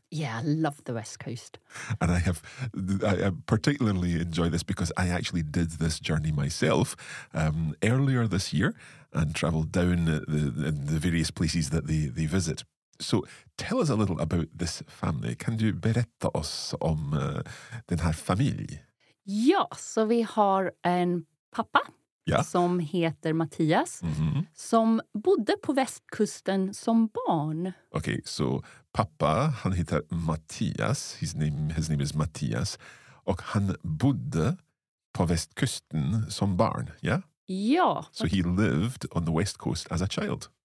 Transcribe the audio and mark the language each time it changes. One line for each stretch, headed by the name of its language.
English: Yeah, I love the west coast. And I particularly enjoy this because I actually did this journey myself earlier this year and travelled down the various places that they visit. So tell us a little about this family.
Swedish: Kan du berätta oss om den här familjen? Ja, så vi har en pappa. Ja. Som heter Mattias, som bodde på västkusten som barn. Okej, så pappa, han heter Mattias,
English: his name is Mattias,
Swedish: och han bodde på västkusten som barn, ja? Ja.
English: So he lived on the west coast as a child.